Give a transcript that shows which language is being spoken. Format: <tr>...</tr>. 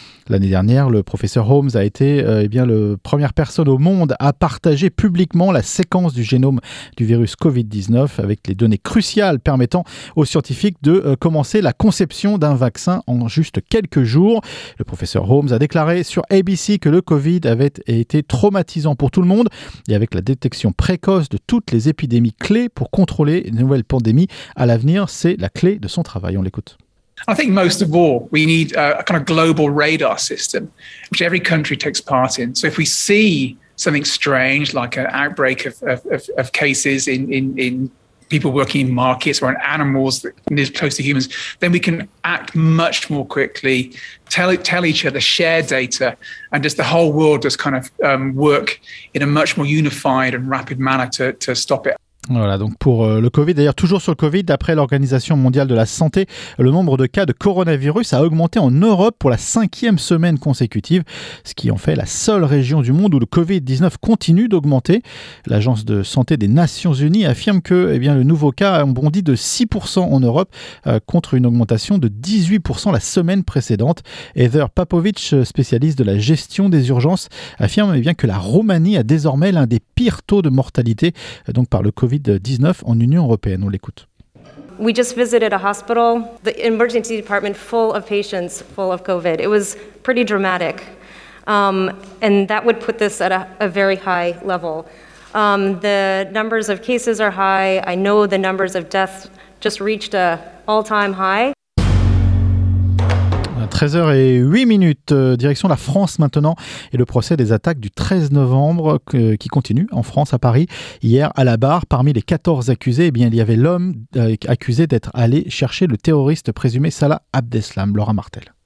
<fr>L'année dernière, le professeur Holmes a été la première personne au monde à partager publiquement la séquence du génome du virus Covid-19 avec les données cruciales permettant aux scientifiques de commencer la conception d'un vaccin en juste quelques jours. Le professeur Holmes a déclaré sur ABC que le Covid avait été traumatisant pour tout le monde et avec la détection précoce de toutes les épidémies clés pour contrôler une nouvelle pandémie à l'avenir, c'est la clé de son travail. On l'écoute.</fr> <en>I think most of all, we need a kind of global radar system, which every country takes part in. So if we see something strange, like an outbreak of cases in people working in markets or in animals that live close to humans, then we can act much more quickly, tell each other, share data, and just the whole world just kind of work in a much more unified and rapid manner to stop it.</en> <fr>Voilà, donc pour le Covid. D'ailleurs, toujours sur le Covid, d'après l'Organisation mondiale de la santé, le nombre de cas de coronavirus a augmenté en Europe pour la 5e semaine consécutive, ce qui en fait la seule région du monde où le Covid-19 continue d'augmenter. L'Agence de santé des Nations Unies affirme que le nouveau cas a bondi de 6% en Europe contre une augmentation de 18% la semaine précédente. Heather Popovic, spécialiste de la gestion des urgences, affirme que la Roumanie a désormais l'un des pires taux de mortalité donc par le Covid-19 en Union européenne. On l'écoute.</fr> <en>We just visited a hospital, the emergency department full of patients, full of COVID. It was pretty dramatic. And that would put this at a very high level. The numbers of cases are high. I know the numbers of deaths just reached a all-time high.</en> <fr>13h08, direction la France maintenant, et le procès des attaques du 13 novembre qui continue en France, à Paris. Hier, à la barre, parmi les 14 accusés, il y avait l'homme accusé d'être allé chercher le terroriste présumé Salah Abdeslam, Laura Martel.</fr>